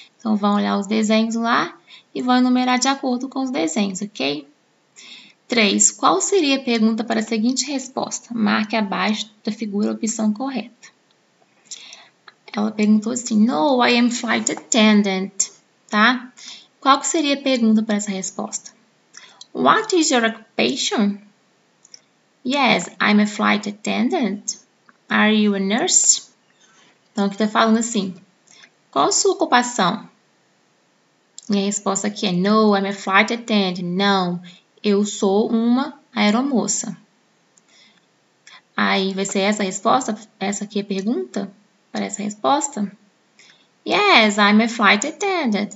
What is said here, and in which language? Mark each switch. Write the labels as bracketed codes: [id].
[pt] Então, vão olhar os desenhos lá e vão numerar de acordo com os desenhos, ok? 3. Qual seria a pergunta para a seguinte resposta? Marque abaixo da figura a opção correta. Ela perguntou assim, [en] no, I am flight attendant, [pt] tá? Qual que seria a pergunta para essa resposta? [en] What is your occupation? Yes, I'm a flight attendant. Are you a nurse? [pt] Então, aqui está falando assim, qual a sua ocupação? Minha resposta aqui é, [en] no, I'm a flight attendant, [pt] não. Eu sou uma aeromoça. Aí vai ser essa a resposta? Essa aqui é a pergunta para essa resposta? [en] Yes, I'm a flight attendant.